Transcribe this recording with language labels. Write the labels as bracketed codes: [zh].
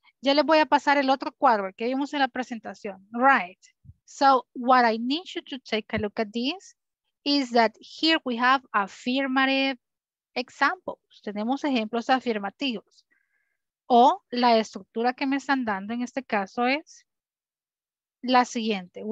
[es] Ya le voy a pasar el otro cuadro que vimos en la presentación. [en] Right. So what I need you to take a look at this is that here we have affirmative examples. [es] Tenemos ejemplos afirmativos. O la estructura que me están dando en este caso es la siguiente.